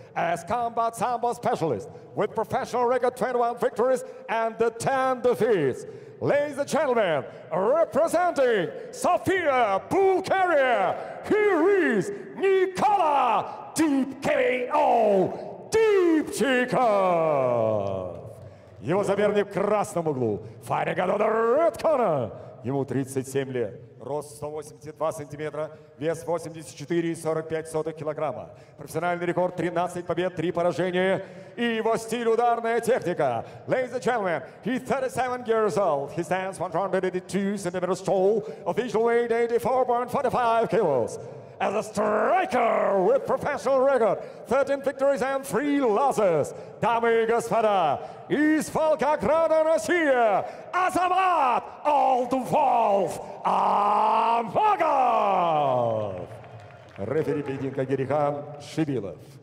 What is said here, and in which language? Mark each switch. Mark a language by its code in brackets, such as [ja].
[en] As combat samba specialist, with professional record 21 victories and 10 defeats. Ladies and gentlemen, representing Sofia Bulgaria, here is Nikola Deep K.O. [ru] Дипчиков. Его соперник в красном углу. Фарригадода Редкона. Ему 37 лет. Рост 182 сантиметра. Вес 84,45 килограмма. Профессиональный рекорд 13 побед, 3 поражения. И его стиль ударная техника. [en] Ladies and gentlemen, he's 37 years old. He stands 182 centimeters tall. Official weight 84.45 kilos. As a striker with professional record, 13 victories and 3 losses. [ru] Дамы и господа, из Волгограда, Россия, Азамат Олдволф Амагов! Рефери поединка Герихан Шибилов.